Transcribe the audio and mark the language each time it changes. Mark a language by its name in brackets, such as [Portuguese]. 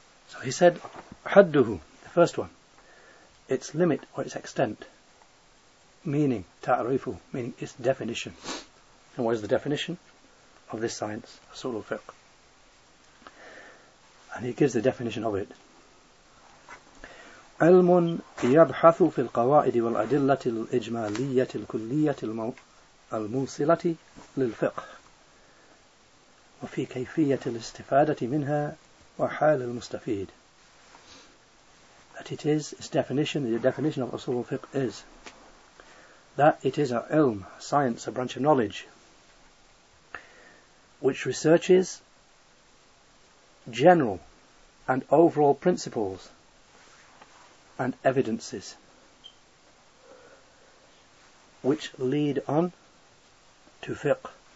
[English] So he said, Hadduhu, the first one, its limit or its extent, meaning ta'rifu, meaning its definition. And what is the definition of this science, Usul al-Fiqh? And he gives the definition of it. [Arabic] علم يبحث في القواعد والأدلة الإجمالية الكلية الموصلة للفقه وفي كيفية الاستفادة منها وحال المستفيد. [English] That it is, its definition, the definition of Usul al-Fiqh is that it is a ilm, science, a branch of knowledge, which researches general and overall principles and evidences which lead on to fiqh.